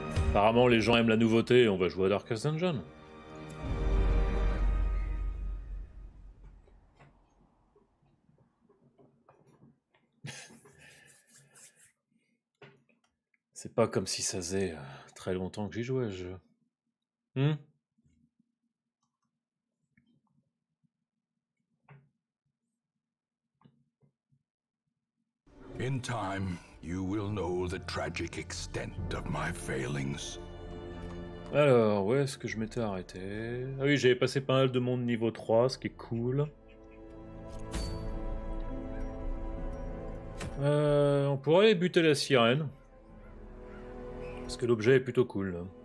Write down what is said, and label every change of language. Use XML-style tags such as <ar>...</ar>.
<fr>Apparemment, les gens aiment la nouveauté et on va jouer à Darkest Dungeon. C'est pas comme si ça faisait très longtemps que j'y jouais, je...</fr> <en>In time, you will know the tragic extent of my failings.</en> <fr>Alors, où est-ce que je m'étais arrêté? Ah oui, j'avais passé pas mal de monde niveau 3, ce qui est cool. On pourrait aller buter la sirène. Parce que l'objet est plutôt cool.</fr>